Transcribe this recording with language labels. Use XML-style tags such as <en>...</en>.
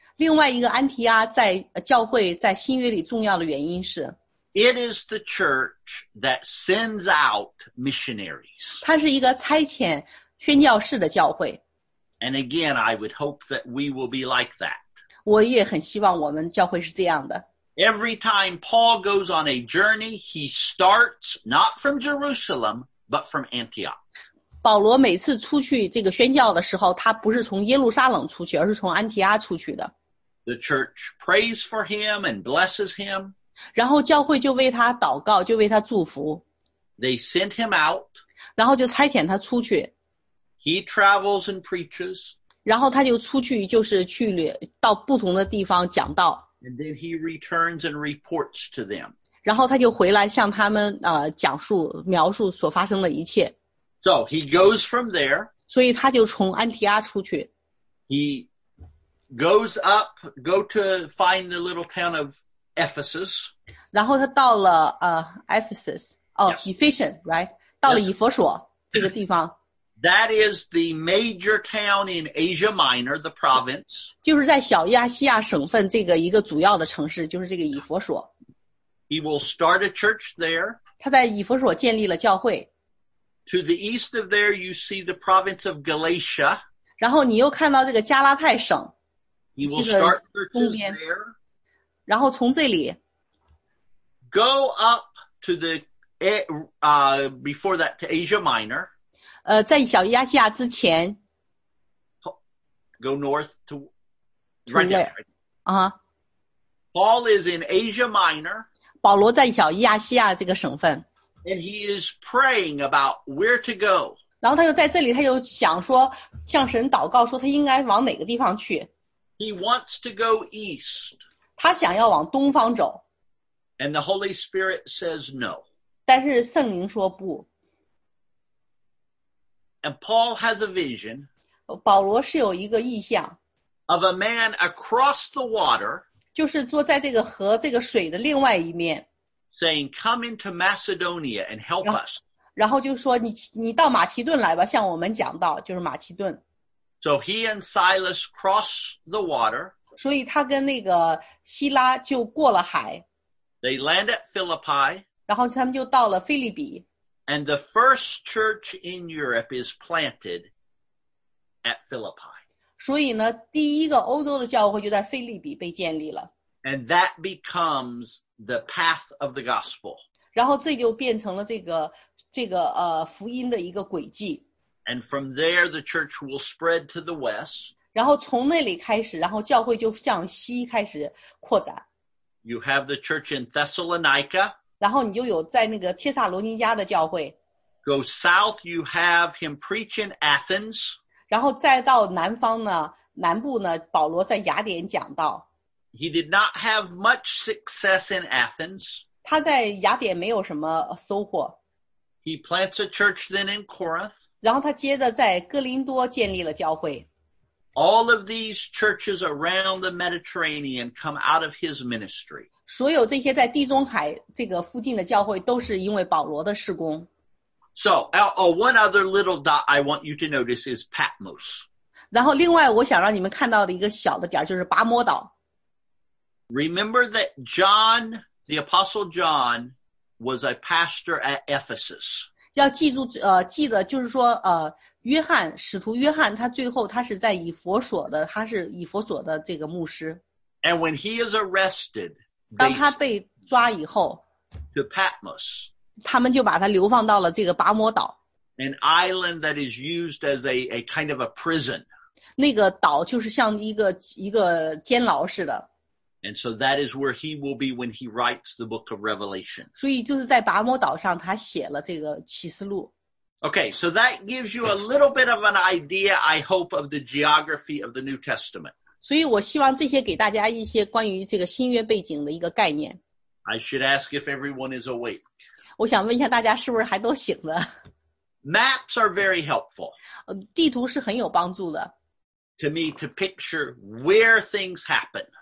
<zh>另外一个安提阿在教会在新约里重要的原因是</zh> <en>It is the church that sends out missionaries.</en> <zh>它是一个差遣宣教士的教会。</zh> <en>And again, I would hope that we will be like that.</en> <zh>我也很希望我们教会是这样的。</zh> <en>Every time Paul goes on a journey, he starts not from Jerusalem, but from Antioch.</en> <zh>保罗每次出去这个宣教的时候，他不是从耶路撒冷出去，而是从安提阿出去的。</zh> <en>The church prays for him and blesses him.</en> <zh>然后教会就为他祷告，就为他祝福。</zh> <en>They sent him out.</en> <zh>然后就差遣他出去。</zh> <en>He travels and preaches.</en> <zh>然后他就出去，就是去到不同的地方讲道。</zh> <en>And then he returns and reports to them.</en> <zh>然后他就回来向他们讲述描述所发生的一切。</zh> <en>So he goes from there.</en> <zh>所以他就从安提阿出去。</zh> <en>He goes up, go to find the little town of Ephesus.</en> <zh>然后他到了</zh> <en>Ephesus, Ephesian, right?</en> <zh>到了以弗所这个地方。</zh> <en>That is the major town in Asia Minor, the province.</en> <zh>就是在小亚细亚省份这个一个主要的城市，就是这个以弗所。</zh> <en>He will start a church there.</en> <zh>他在以弗所建立了教会。</zh> <en>To the east of there, you see the province of Galatia.</en> <zh>然后你又看到这个加拉太省。</zh> <en>You will start churches there.</en> <zh>然后从这里。</zh> <en>Go up to the, before that, to Asia Minor.</en> <zh>在小亚细亚之前。</zh> <en>Go north to, right there. Paul is in Asia Minor.</en> <zh>保罗在小亚细亚这个省份。</zh> <en>And he is praying about where to go.</en> <zh>然后他就在这里，他就想说，向神祷告，说他应该往哪个地方去。</zh> <en>He wants to go east.</en> <zh>他想要往东方走。</zh> <en>And the Holy Spirit says no.</en> <zh>但是圣灵说不。</zh> <en>And Paul has a vision.</en> <zh>保罗是有一个意象。</zh> <en>Of a man across the water.</en> <zh>就是说在这个河，这个水的另外一面。</zh> <en>Saying, come into Macedonia and help us.</en> <zh>然后就说你到马其顿来吧，向我们讲道，就是马其顿。</zh> <en>So he and Silas cross the water.</en> <zh>所以他跟那个希拉就过了海。</zh> <en>They land at Philippi.</en> <zh>然后他们就到了腓立比。</zh> <en>And the first church in Europe is planted at Philippi.</en> <zh>所以呢，第一个欧洲的教会就在腓立比被建立了。</zh> <en>And that becomes the path of the gospel.</en> <zh>然后这就变成了这个福音的一个轨迹。</zh> <en>And from there, the church will spread to the west.</en> <zh>然后从那里开始，然后教会就向西开始扩展。</zh> <en>You have the church in Thessalonica.</en> <zh>然后你就有在那个帖撒罗尼迦的教会。</zh> <en>Go south, you have him preach in Athens.</en> <zh>然后再到南方呢，南部呢，保罗在雅典讲道。</zh> <en>He did not have much success in Athens.</en> <zh>他在雅典没有什么收获。</zh> <en>He plants a church then in Corinth.</en> <zh>然后他接着在哥林多建立了教会。</zh> <en>All of these churches around the Mediterranean come out of his ministry.</en> <zh>所有这些在地中海这个附近的教会都是因为保罗的事工。</zh> <en>So, one other little dot I want you to notice is Patmos.</en> <zh>然后另外我想让你们看到的一个小的点就是拔摩岛。</zh> <en>Remember that John, the Apostle John, was a pastor at Ephesus.</en> <zh>要记住记得就是说约翰使徒约翰他最后他是在以弗所的他是以弗所的这个牧师。</zh> <en>And when he is arrested,</en> <zh>当他被抓以后</zh> <en>to Patmos,</en> <zh>他们就把他流放到了这个拔摩岛。</zh> <en>An island that is used as a kind of a prison.</en> <zh>那个岛就是像一个监牢似的。</zh> <en>And so that is where he will be when he writes the book of Revelation.</en> <zh>所以就是在拔摩岛上他写了这个启示录。</zh> <en>Okay, so that gives you a little bit of an idea, I hope, of the geography of the New Testament.</en> <zh>所以我希望这些给大家一些关于这个新约背景的一个概念。</zh> <en>I should ask if everyone is awake.</en> <zh>我想问一下大家是不是还都醒了。</zh> <en>Maps are very helpful.</en> <zh>地图是很有帮助的。</zh> <en>To me, to picture where things happen.</en>